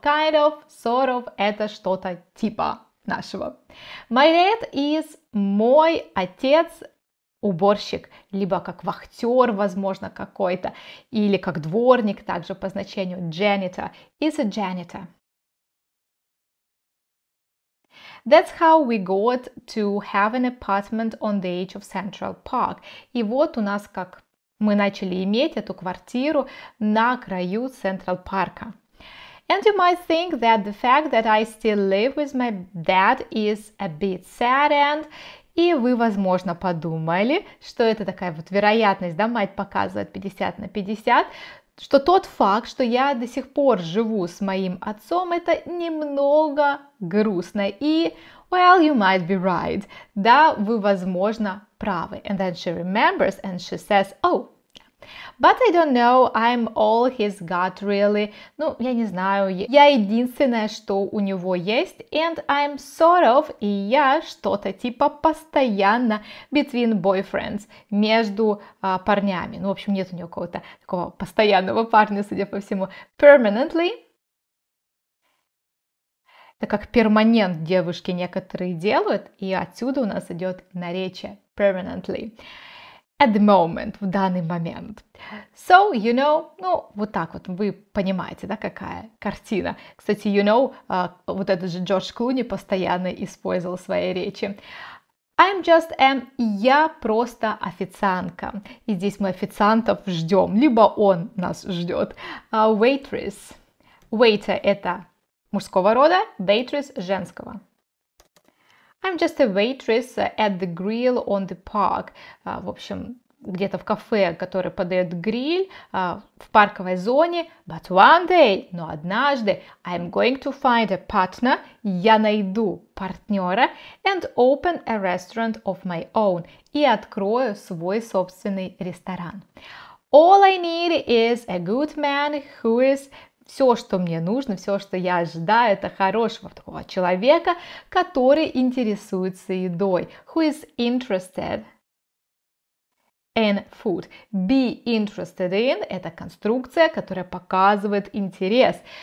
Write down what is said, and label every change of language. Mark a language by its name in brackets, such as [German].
[English] Kind of, sort of, [Russian] это что-то типа нашего. [English] My dad is [Russian] мой отец уборщик, либо как вахтер, возможно, какой-то, или как дворник, также по значению janitor. [English] Is a janitor. That's how we got to have an apartment on the edge of Central Park. [Russian] И вот у нас как мы начали иметь эту квартиру на краю Централ Парка. [English] And you might think that the fact that I still live with my dad is a bit sad and... [Russian] И вы, возможно, подумали, что это такая вот вероятность, да, мать показывает 50 на 50, что тот факт, что я до сих пор живу с моим отцом, это немного грустно. И, [English] well, you might be right. [Russian] Да, вы, возможно, правы. [English] And then she remembers and she says, oh, but I don't know, I'm all he's got, really. [Russian] Ну, я не знаю, я единственное, что у него есть. [English] And I'm sort of, [Russian] и я что-то типа постоянно [English] between boyfriends, [Russian] между парнями. Ну, в общем, нет у него какого-то такого постоянного парня, судя по всему. [English] Permanently. [Russian] Это как перманент девушки некоторые делают. И отсюда у нас идет наречие permanently. [English] At the moment, [Russian] в данный момент. [English] So, you know, [Russian] ну, вот так вот, вы понимаете, да, какая картина. Кстати, [English] you know, [Russian] вот этот же Джордж Клуни постоянно использовал в своей речи. [English] I'm just an, [Russian] я просто официантка. И здесь мы официантов ждем, либо он нас ждет. Waitress. Waiter это мужского рода, waitress женского. [English] I'm just a waitress at the grill on the park. [Russian] В общем, где-то в кафе, которое подает гриль, в парковой зоне. [English] But one day, [Russian] но однажды, [English] I'm going to find a partner, [Russian] я найду партнера, [English] and open a restaurant of my own, [Russian] и открою свой собственный ресторан. [English] All I need is a good man who is... [Russian] Все, что мне нужно, все, что я ожидаю, это хорошего такого человека, который интересуется едой. [English] Who is interested in food? Be interested in [Russian] – это конструкция, которая показывает интерес.